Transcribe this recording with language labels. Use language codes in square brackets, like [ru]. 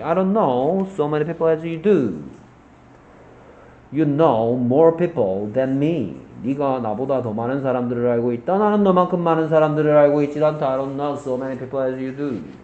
[en] I don't know so many people as you do. You know more people than me. [ko] 네가 나보다 더 많은 사람들을 알고 있다. 나는 너만큼 많은 사람들을 알고 있지 않다. [en] I don't know so many people as you do.